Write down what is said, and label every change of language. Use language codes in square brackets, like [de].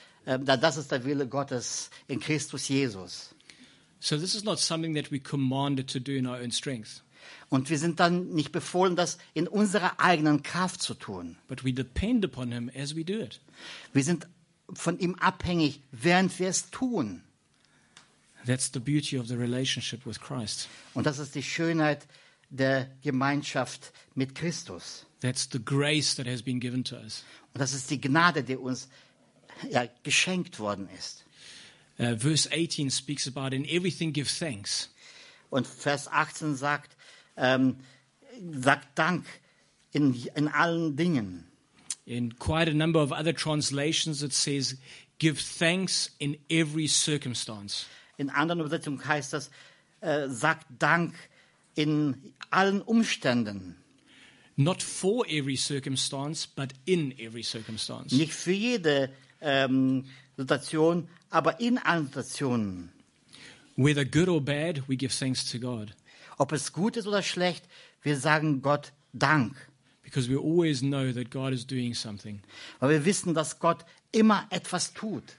[de] Das ist der Wille Gottes in Christus Jesus. [en] So this is not something that we commanded to do in our own strength. [de] Und wir sind dann nicht befohlen, das in unserer eigenen Kraft zu tun. [en] But we depend upon him as we do it. [de] Wir sind von ihm abhängig, während wir es tun. [en] That's the beauty of the relationship with Christ. [de] Und das ist die Schönheit der Gemeinschaft mit Christus. [en] That's the grace that has been given to us. [de] Und das ist die Gnade, die uns ja, geschenkt worden ist. [en] Verse 18 speaks about in everything give thanks. [de] Und Vers 18 sagt, sagt Dank in allen Dingen. [en] In quite a number of other translations it says give thanks in every circumstance. [de] In anderen Übersetzungen heißt das sagt Dank in allen Umständen. [en] Not for every circumstance, but in every circumstance. [de] Nicht für jede Situation, aber in allen Situationen. [en] Whether good or bad, we give thanks to God. [de] Ob es gut ist oder schlecht, wir sagen Gott Dank. [en] Because we always know that God is doing something. [de] Weil wir wissen, dass Gott immer etwas tut.